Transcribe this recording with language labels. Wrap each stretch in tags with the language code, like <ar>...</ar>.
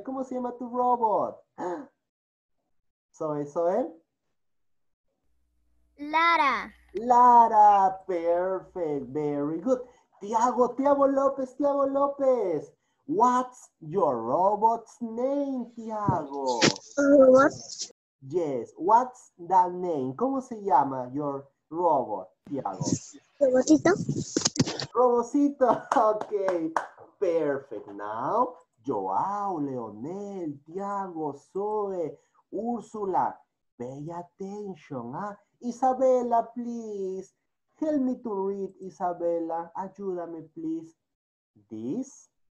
<es>¿Cómo se llama tu robot? Zoe? Lara.</es> <en>Lara, perfect, very good. Tiago López. What's your robot's name, Tiago? Robot. Yes, what's that name?</en> <es>¿Cómo se llama</es> <en>your robot,</en> <es>Tiago? Robocito.</es> <en>Robocito, okay. Perfect. Now, Joao, Leonel, Tiago, Zoe, Úrsula, pay attention. Isabella, please. Help me to read, Isabella.</en> <es>Ayúdame,</es> <en>please. This?</en>